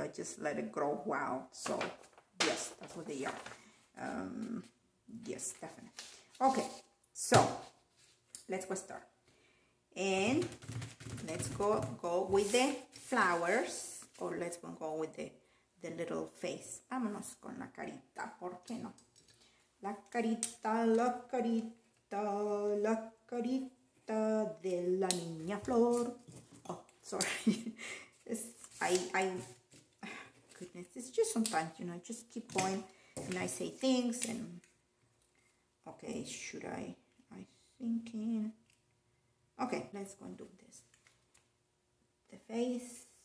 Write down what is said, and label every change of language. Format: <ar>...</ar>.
<en>I just let it grow wild. So, yes, that's what they are. Yes, definitely. Okay, so let's go start. And let's go with the flowers, or let's go with the little face.</en> <es>Vámonos con la carita, ¿por qué no? La carita, la carita, la carita de la niña Flor.</es> <en>Oh, sorry. Goodness, it's just sometimes, you know, I just keep going and I say things and... Okay, I'm thinking... Okay, let's go and do this. The face.</en>